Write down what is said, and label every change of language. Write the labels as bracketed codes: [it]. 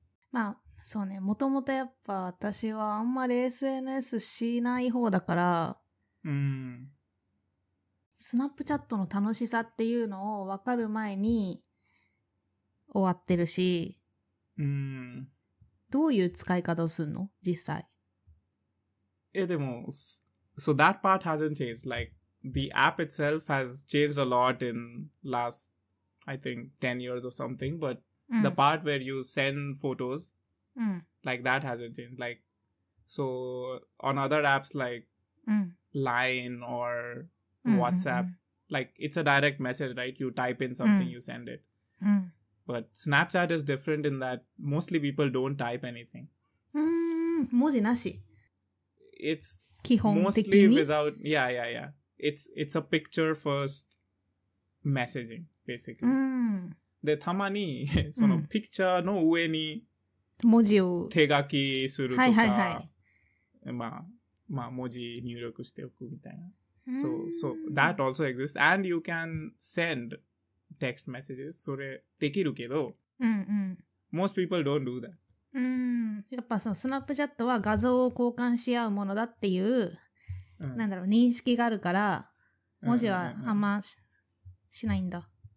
[ja] まあそうね、もともとやっぱ私はあんまり SNS しない方だから、うん、スナップチャットの楽しさっていうのを分かる前に終わってるし、うん、どういう使い方をするの実際。え、でも [en] so that part hasn't changed. Like the app itself has changed a lot in last I think 10 years or something, but、 [ja] うん、 [en] the part where you send photosLike that hasn't changed. Like, so on other apps like、 mm. Line or、mm-hmm. WhatsApp, like it's a direct message, right? You type in something,、mm. you send it.、 Mm. But Snapchat is different in that mostly people don't type anything. [ja] Mm, 文字なし。 [en] It's [ja] 基本的に? [en] Mostly without, yeah, yeah, yeah. It's a picture first messaging, basically. [ja] で、たまに、その picture の上に文字を手書きするとか、はいはいはい、まあ文字入力しておくみたいな。 [en] So that also exists and you can send text messages. [ja] それできるけど、うんうん、 [en] most people don't do that. [ja] やっぱそのスナップチャットは画像を交換し合うものだっていう、うん、なんだろう認識があるから文字はあんま しないんだ。